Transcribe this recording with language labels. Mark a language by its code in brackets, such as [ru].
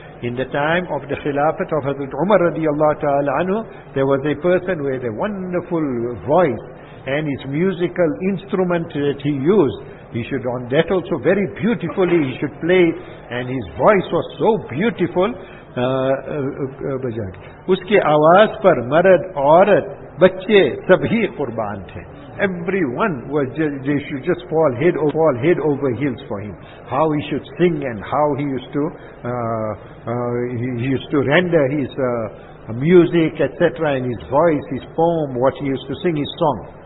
[en] In the time of the Khilafat of Hazrat Umar radiallahu ta'ala anhu, there was a person with a wonderful voice, and his musical instrument that he used, he should on that also very beautifully he should play, and his voice was so beautiful بجایا. [ur] اس کے آواز پر مرد عورت بچے سب ہی قربان تھے. [en] Everyone was they should just fall head over heels for him. How he should sing and how he used to render his music, etc., and his voice, his poem, what he used to sing, his song.